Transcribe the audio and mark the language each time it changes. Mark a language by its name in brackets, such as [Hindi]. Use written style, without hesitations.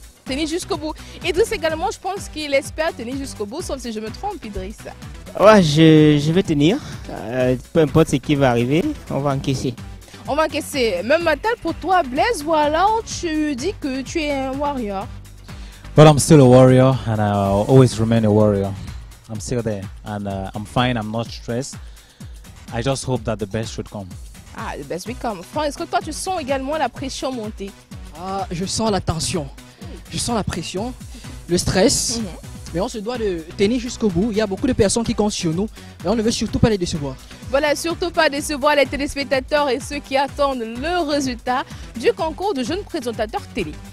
[French] Tenir jusqu'au bout. Idriss également, je pense qu'il espère tenir jusqu'au bout, sauf si je me trompe, Idriss. Ouais, je vais tenir. Peu importe ce qui va arriver, on va encaisser. On va encaisser. Même Mattel, pour toi, Blaise, ou alors tu dis que tu es un warrior? [English] But I'm still a warrior and I'll always remain a warrior. I'm still there and I'm fine, I'm not stressed. I just hope that the best should come. Ah, the best will come. [French] Franck, est-ce que toi, tu sens également la pression monter? Je sens la tension. Je sens la pression, le stress. Mais on se doit de tenir jusqu'au bout. Il y a beaucoup de personnes qui comptent sur nous. Mais on ne veut surtout pas les décevoir. Voilà, surtout pas décevoir les téléspectateurs et ceux qui attendent le résultat du concours de jeunes présentateurs télé.